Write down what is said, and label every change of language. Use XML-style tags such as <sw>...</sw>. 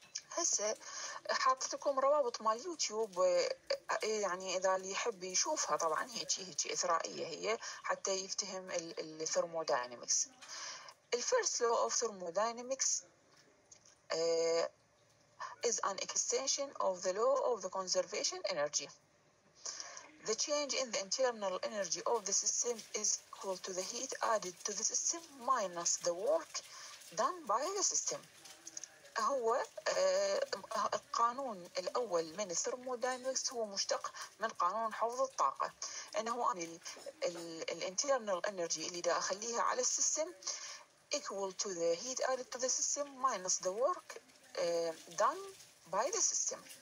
<ar>هسه حاطت لكم روابط مال يوتيوب يعني اذا اللي يحب يشوفها طبعا هيك اثرائيه هي حتى يفتهم الثرمودينامكس.</ar> <en>الفيرست law of thermodynamics is an extension of the law of the conservation energy. The change in the internal energy of the system is equal to the heat added to the system minus the work done by the system.</en> <ar>هو القانون الأول من الثرمودينامكس هو مشتق من قانون حفظ الطاقة، إنه أنا الانترنال إنرجي اللي دا أخليها على السيستم</ar> <en>equal to the heat added to the system minus the work done by the system.</en>